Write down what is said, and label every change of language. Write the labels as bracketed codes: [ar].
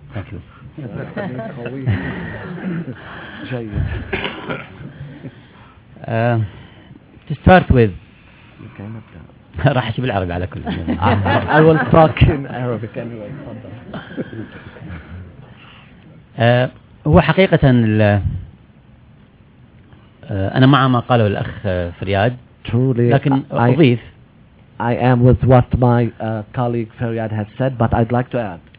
[en] Thank you. to start with, I will talk in Arabic anyway. [ar] هو حقيقة أنا مع ما قاله الأخ فرياد. [en] Truly, [ar] لكن أضيف. [en] I am with what my colleague Faryad has said, but I'd like to add.